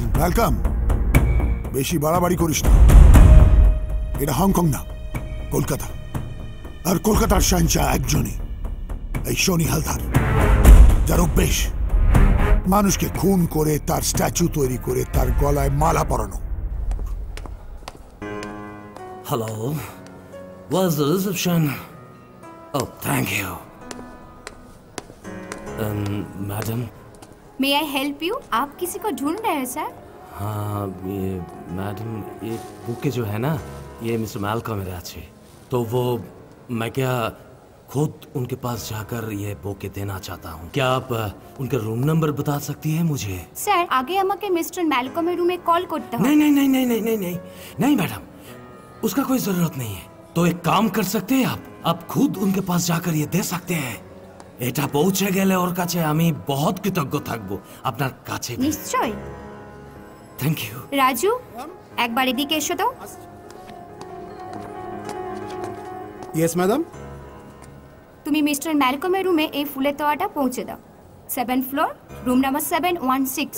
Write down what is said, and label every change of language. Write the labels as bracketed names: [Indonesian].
[Bangla] Welcome, বেশি বাড়াবাড়ি করিস না, এটা হংকং না, কলকাতা, আর কলকাতার শাহিনশাহ একজনই, এই সনি হালদার, যার অভ্যেস মানুষকে খুন করে, তার স্ট্যাচু তৈরি করে, তার গলায় মালা পরানো। [English] Hello, was the reception? Oh, thank you madam. May I help you? [Hindi] Up কিসি কো ঢুন রহে হো স্যার? हाँ ये मैडम, ये बुके जो है ना, ये मिस्टर मैलकॉम मेरे अच्छे, तो वो मैं क्या खुद उनके पास जाकर ये बुके देना चाहता हूँ। क्या आप उनका रूम नंबर बता सकती है मुझे? सर आगे हम के मिस्टर मैलकॉम के रूम में कॉल करते हैं। नहीं नहीं नहीं नहीं नहीं नहीं नहीं नहीं नहीं मैडम, उसका कोई जरूरत नहीं है। तो एक काम कर सकते हैं आप खुद उनके पास जाकर ये दे सकते हैं। [Bangla] এটা পৌঁছে গেলে ওর কাছে আমি বহুত কৃতজ্ঞ থাকব আপনার কাছে। নিশ্চয়ই। [English] Thank you. [Bangla] রাজু একবার এদিকে এসো তো। [English] Yes madam. [Bangla] তুমি মিস্টার ম্যালকমের রুমে এই ফুলের তোয়াটা পৌঁছে দাও। 7th floor, room number 716।